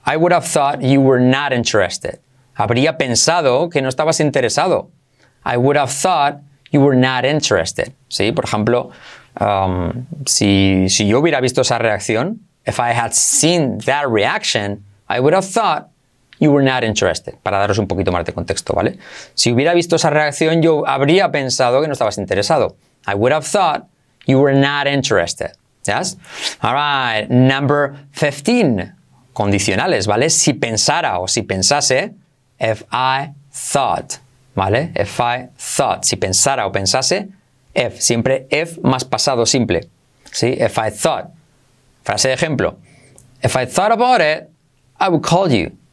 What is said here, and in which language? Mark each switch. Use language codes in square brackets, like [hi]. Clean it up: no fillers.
[en] I would have thought you were not interested. [es] Habría pensado que no estabas interesado. [en] I would have thought you were not interested. [es] ¿Sí? Por ejemplo, si yo hubiera visto esa reacción, [en] if I had seen that reaction, I would have thought you were not interested. [es] Para daros un poquito más de contexto, ¿vale? Si hubiera visto esa reacción, yo habría pensado que no estabas interesado. [en] I would have thought you were not interested. ¿Yes? All right, number 15. [es] Condicionales, ¿vale? Si pensara o si pensase, [en] if I thought, [es] ¿vale? [en] If I thought, [es] si pensara o pensase, if, siempre if más pasado simple, ¿sí? [en] If I thought, [es] frase de ejemplo, [en] if I thought about it, I would call you.